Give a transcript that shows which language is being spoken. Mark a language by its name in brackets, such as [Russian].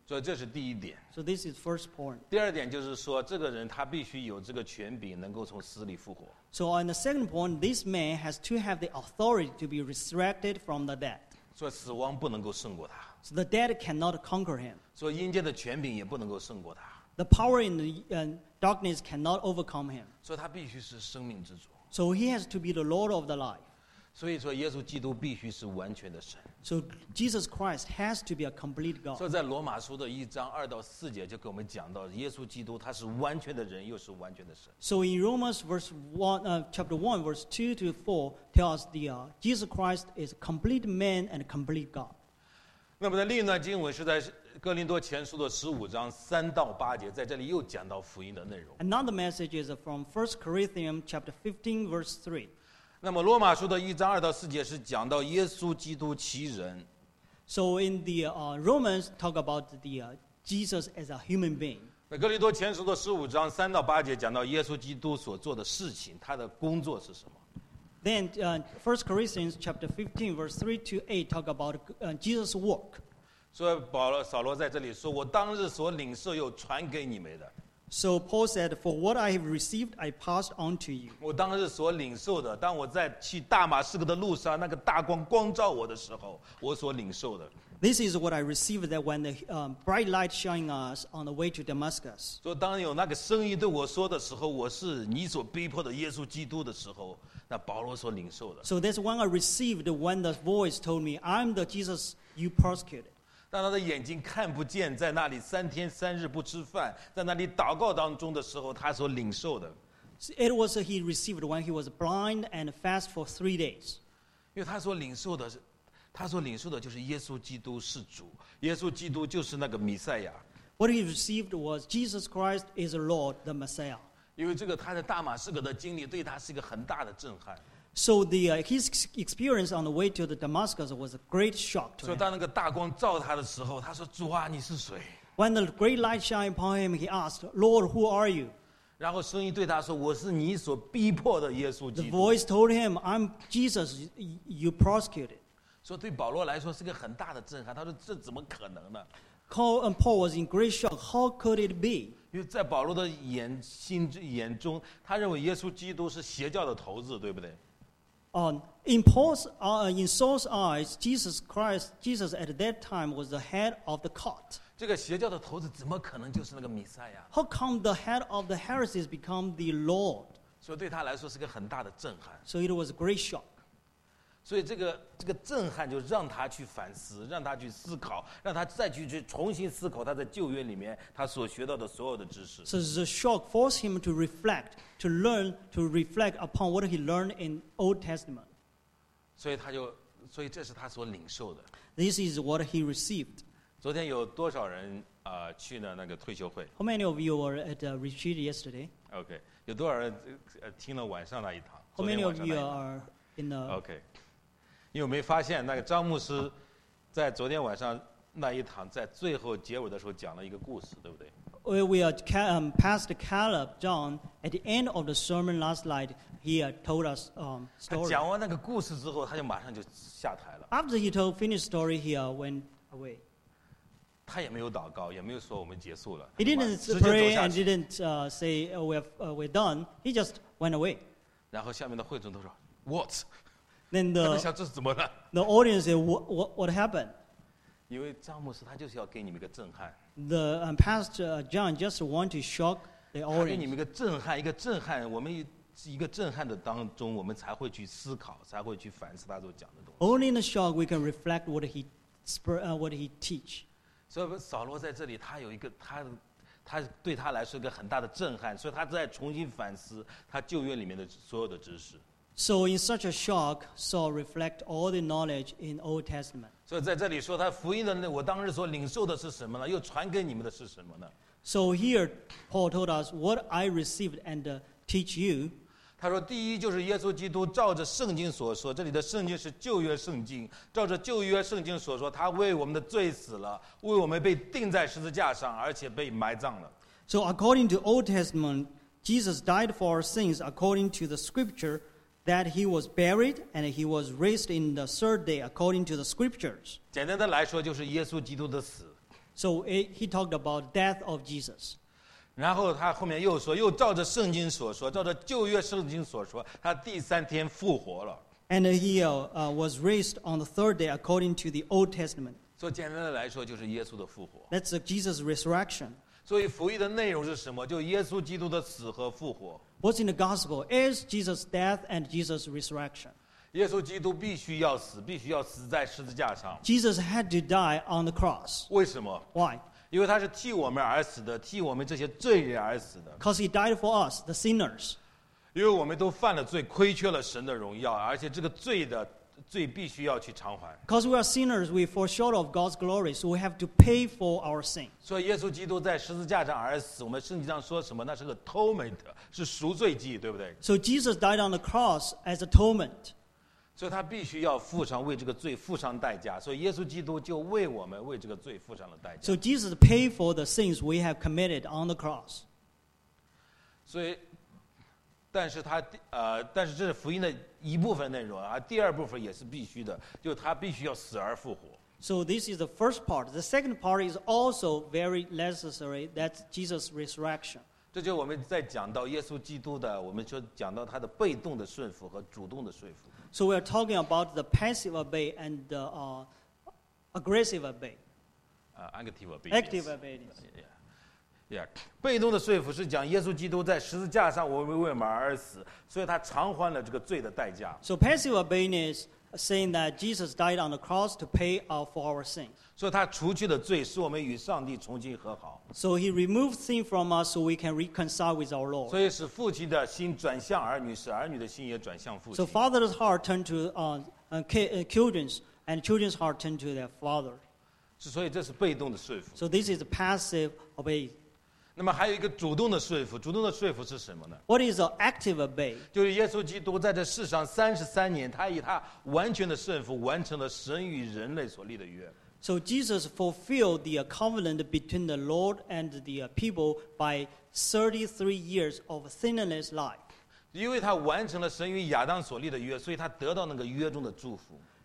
[Chinese] 所以这是第一点。 [English] So this is first point. [Chinese] 第二点就是说，这个人他必须有这个权柄，能够从死里复活。 [English] So on the second point, this man has to have the authority to be resurrected from the dead. [Chinese] 所以死亡不能够胜过他。 [English] So the dead cannot conquer him. [Chinese] 所以阴间的权柄也不能够胜过他。 [English] The power in the darkness cannot overcome him. [Chinese] 所以他必须是生命之主。 [English] So he has to be the Lord of the life. [Chinese] 所以说耶稣基督必须是完全的神。 [English] So Jesus Christ has to be a complete God. [Chinese] 所以在罗马书的一章二到四节就给我们讲到耶稣基督他是完全的人又是完全的神。 [English] So in Romans verse one, chapter 1 verse 2 to 4 tells the Jesus Christ is a complete man and a complete God. [Chinese] 那么在另一段经文是在哥林多前书的十五章三到八节，在这里又讲到福音的内容。 [English] Another message is from 1 Corinthians chapter 15 verse 3. [Chinese] 那么罗马书的一章二到四节是讲到耶稣基督其人。 [English] So in the Romans talk about the Jesus as a human being. [Chinese] 那哥林多前书的十五章三到八节讲到耶稣基督所做的事情，他的工作是什么。 [English] Then First Corinthians chapter 15 verse 3 to 8 talk about Jesus' work. [Chinese] 所以保罗扫罗在这里说，我当日所领受又传给你们的。 [English] So Paul said, "For what I have received, I passed on to you." [Chinese] 我当日所领受的，当我在去大马士革的路上，那个大光光照我的时候，我所领受的。 [English] This is what I received. That when the bright light shining us on the way to Damascus. [Chinese] 所以当有那个声音对我说的时候，我是你所逼迫的耶稣基督的时候，那保罗所领受的。 [English] So that's when I received when the voice told me, "I'm the Jesus you persecuted." [Chinese] 当他的眼睛看不见，在那里三天三日不吃饭，在那里祷告当中的时候，他所领受的。 [English] It was he received when he was blind and fast for 3 days. [Chinese] 因为他所领受的，他所领受的就是耶稣基督是主，耶稣基督就是那个弥赛亚。 [English] What he received was Jesus Christ is the Lord, the Messiah. [Chinese] 因为这个他在大马士革的经历对他是一个很大的震撼。 [English] So the his experience on the way to the Damascus was a great shock to him. [Chinese] 所以当那个大光照他的时候，他说：“主啊，你是谁？” [English] When the great light shined upon him, he asked, "Lord, who are you?" [Chinese] 然后声音对他说：“我是你所逼迫的耶稣基督。” [English] The voice told him, "I'm Jesus, you persecuted." [Chinese] 所以对保罗来说是个很大的震撼。他说：“这怎么可能呢？” [English] Paul was in great shock. How could it be? [Chinese] 因为在保罗的眼心眼中，他认为耶稣基督是邪教的头子，对不对？ [English] In Saul's eyes, Jesus Christ, Jesus at that time was the head of the cult. [Chinese] 这个邪教的头子怎么可能就是那个弥赛亚？ [English] How come the head of the heresies become the Lord? [Chinese] 所以对他来说是个很大的震撼。 [English] So it was a great shock. [Chinese] 所以这个震撼就让他去反思，让他去思考，让他再去重新思考他在旧约里面他所学到的所有的知识。 [English] So the shock forced him to reflect, to learn, to reflect upon what he learned in Old Testament. [Chinese] 所以他就，所以这是他所领受的。 [English] This is what he received. [Chinese] 昨天有多少人去了那个退休会 [English] ？How many of you were at a retreat yesterday? Okay. [Chinese] 有多少人听了晚上那一堂 [English] ？How many of you are in the? Okay. [Chinese] 你有没有发现那个张牧师在昨天晚上那一堂在最后结尾的时候讲了一个故事，对不对 [English] ？We are past Caleb John at the end of the sermon last night. He told us story. [Chinese] 他讲完那个故事之后，他就马上就下台了。 [English] After he told finished story, he went away. [Chinese] 他也没有祷告，也没有说我们结束了。 [English] He didn't pray and didn't say we're done. He just went away. [Chinese] 然后下面的会众都说 [English] What? Then the [Chinese] 想这是怎么了 [English] ？The audience said what happened? [Chinese] 因为张牧师他就是要给你们一个震撼。 [English] The pastor John just want to shock the audience. [Chinese] 给你们一个震撼，一个震撼。我们一个震撼的当中，我们才会去思考，才会去反思他所讲的东西。 [English] Only in the shock we can reflect what he teach. [Chinese] 所以扫罗在这里他有一个他对他来说一个很大的震撼，所以他在重新反思他旧约里面的所有的知识。 [English] So in such a shock, Saul reflect all the knowledge in Old Testament. [Chinese] 所以在这里说他福音的我当日所领受的是什么呢，又传给你们的是什么呢。 [English] So here Paul told us what I received and teach you. [Chinese] 他说第一就是耶稣基督照着圣经所说，这里的圣经是旧约圣经，照着旧约圣经所说，他为我们的罪死了，为我们被钉在十字架上，而且被埋葬了。 [English] So according to Old Testament, Jesus died for our sins according to the scripture that he was buried and he was raised in the third day according to the scriptures. [Chinese] 简单的来说就是耶稣基督的死。 [English] So he talked about death of Jesus. [Chinese] 然后他后面又说，又照着圣经所说，照着旧约圣经所说，他第三天复活了。 [English] And he was raised on the third day according to the Old Testament. [Chinese] 所以简单的来说，就是耶稣的复活。 [English] That's Jesus' resurrection. [Chinese] 所以福音的内容是什么？就耶稣基督的死和复活。 [English] What's in the gospel is Jesus' death and Jesus' resurrection. [Chinese] 耶稣基督必须要死，必须要死在十字架上。 [English] Jesus had to die on the cross. [Chinese] 为什么 [English] ？Why? [Chinese] 因为他是替我们而死的，替我们这些罪人而死的。 [English] Because he died for us, the sinners. [Chinese] 因为我们都犯了罪，亏缺了神的荣耀，而且这个罪必须要去偿还。 [English] Because we are sinners, we fall short of God's glory, so we have to pay for our sin. [Chinese] 所以耶稣基督在十字架上而死，我们圣经上说什么？那是个 atonement， 是赎罪祭，对不对 [English] ？So Jesus died on the cross as atonement. [Chinese] 所以他必须要付上为这个罪付上代价，所以耶稣基督就为我们为这个罪付上了代价。 [English] So Jesus paid for the sins we have committed on the cross. [Chinese] 所以，但是他但是这是福音的一部分内容啊，第二部分也是必须的，就他必须要死而复活。 [English] So this is the first part. The second part is also very necessary. That's Jesus' resurrection. [Chinese] 这就我们在讲到耶稣基督的，我们说讲到他的被动的顺服和主动的顺服。 [English] So we are talking about the passive obey and the aggressive obey. Active obey. Active obedience. Yeah. Yeah. [Chinese] 被动的顺服是讲耶稣基督在十字架上为我们而死，所以他偿还了这个罪的代价。 [English] So passive obedience is saying that Jesus died on the cross to pay for our sins. [Chinese] 所以他除去的罪使我们与上帝重新和好。 [English] So he removed sin from us so we can reconcile with our Lord. [Chinese] 所以使父亲的心转向儿女，使儿女的心也转向父亲。 [English] So father's heart turned to children's and children's heart turned to their father. [Chinese] 所以这是被动的说服。 [English] So this is passive obey. [Chinese] 那么还有一个主动的说服，主动的说服是什么呢 [English] ？What is an active obey? [Chinese] 就是耶稣基督在这世上33年，他以他完全的顺服完成了神与人类所立的约。 [English] So Jesus fulfilled the covenant between the Lord and the people by 33 years of sinless life. [Chinese] 因为他完成了神与亚当所立的约，所以他得到那个约中的祝福。